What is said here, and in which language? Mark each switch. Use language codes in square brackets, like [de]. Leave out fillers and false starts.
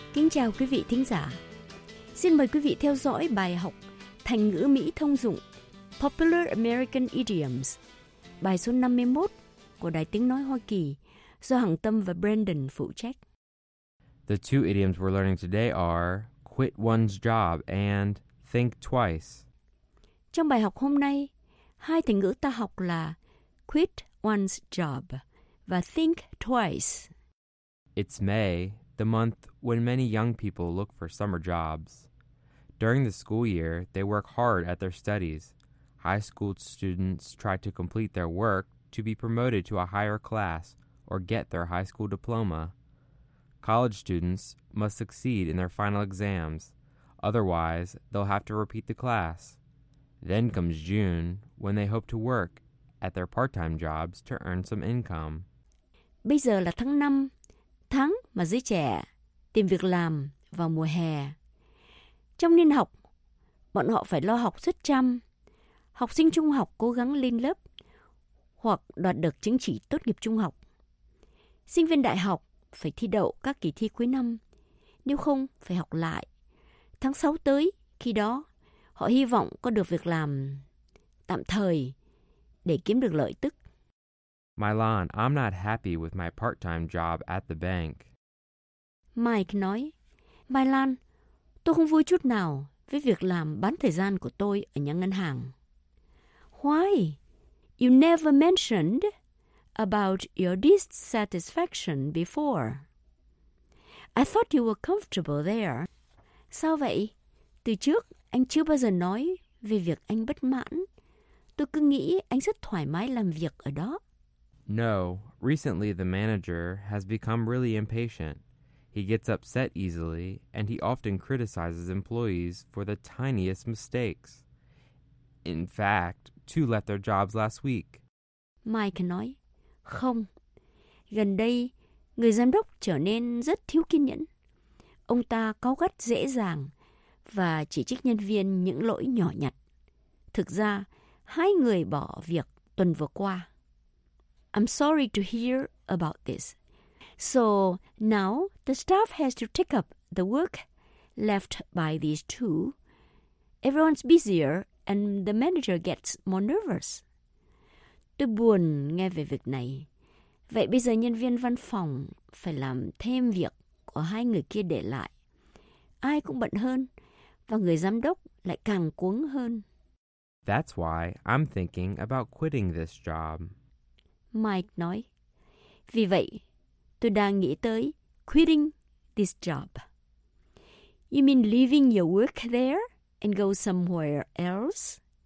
[vi] Chào quý vị thính giả. Xin mời quý vị theo dõi bài học thành ngữ Mỹ thông dụng Popular American Idioms, bài số 51 của Đài Tiếng Nói Hoa Kỳ do Hằng Tâm và Brandon phụ trách. [en] The two idioms we're learning today are quit one's job and think twice. [vi] Trong bài học hôm nay, hai thành ngữ ta học là [en] quit one's job [vi] và [en] think twice. It's May, the month when many young people look for summer jobs. During the school year, they work hard at their studies. High school students try to complete their work to be promoted to a higher class or get their high school diploma. College students must succeed in their final exams. Otherwise, they'll have to repeat the class. Then comes June, when they hope to work at their part-time jobs to earn some income. [vi] Bây giờ là tháng 5. Tháng mà giới trẻ tìm việc làm vào mùa hè. Trong niên học, bọn họ phải lo học suất chăm. Học sinh trung học cố gắng lên lớp hoặc đoạt được chứng chỉ tốt nghiệp trung học. Sinh viên đại học phải thi đậu các kỳ thi cuối năm, nếu không phải học lại. Tháng 6 tới, khi đó, họ hy vọng có được việc làm tạm thời để kiếm được lợi tức. [en] Mylon, I'm not happy with my part-time job at the bank. [vi] Mike nói, Mylon, tôi không vui chút nào với việc làm bán thời gian của tôi ở nhà ngân hàng. [en] Why? You never mentioned about your dissatisfaction before. I thought you were comfortable there. [vi] Sao vậy? Từ trước, anh chưa bao giờ nói về việc anh bất mãn. Tôi cứ nghĩ anh rất thoải mái làm việc ở đó. [en] No, recently the manager has become really impatient. He gets upset easily, and he often criticizes employees for the tiniest mistakes. In fact, two left their jobs last week. [vi] Mike nói, không. Gần đây, người giám đốc trở nên rất thiếu kiên nhẫn. Ông ta cáu gắt dễ dàng và chỉ trích nhân viên những lỗi nhỏ nhặt. Thực ra, hai người bỏ việc tuần vừa qua. [en] I'm sorry to hear about this. So now the staff has to take up the work left by these two. Everyone's busier and the manager gets more nervous. [vi] Tôi buồn nghe về việc này. Vậy bây giờ nhân viên văn phòng phải làm thêm việc của hai người kia để lại. Ai cũng bận hơn và người giám đốc lại càng cuống hơn. [en] That's why I'm thinking about quitting this job. [vi] Mike nói, vì vậy, tôi đang nghĩ tới [en] quitting this job. You mean leaving your work there and go somewhere else?